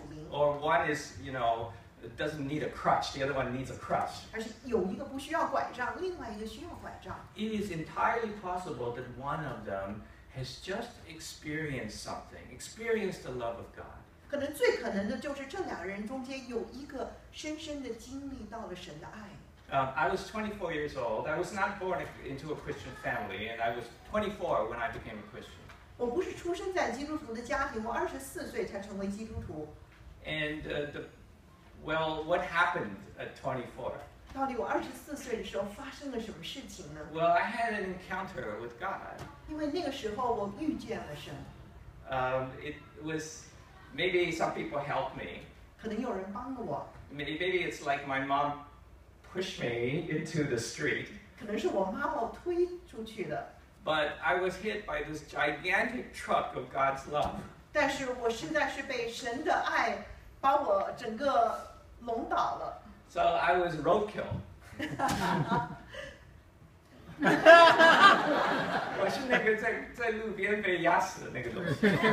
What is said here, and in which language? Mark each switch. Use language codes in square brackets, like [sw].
[en] Or one is, you know, doesn't need a crutch, the other one needs a crutch. It is entirely possible that one of them has just experienced something, experienced the love of God. [zh] 可能最可能的就是这两个人中间有一个深深的经历到了神的爱。 [en] I was 24 years old. I was not born into a Christian family, and I was 24 when I became a Christian. [zh] 我不是出生在基督徒的家庭，我24岁才成为基督徒。 [en] And what happened at 24? [zh] 到底我24岁的时候发生了什么事情呢？ [en] Well, I had an encounter with God. [zh] 因为那个时候我遇见了神。 [en] It was maybe some people helped me. [zh] 可能有人帮了我。 [en] Maybe it's like my mom. Push me into the street. [zh] 可能是我妈把我推出去的。 [en] But I was hit by this gigantic truck of God's love. [zh] 但是我实在是被神的爱把我整个笼倒了。 [en] So I was roadkill. [zh] 我是那个在路边被压死的那个东西。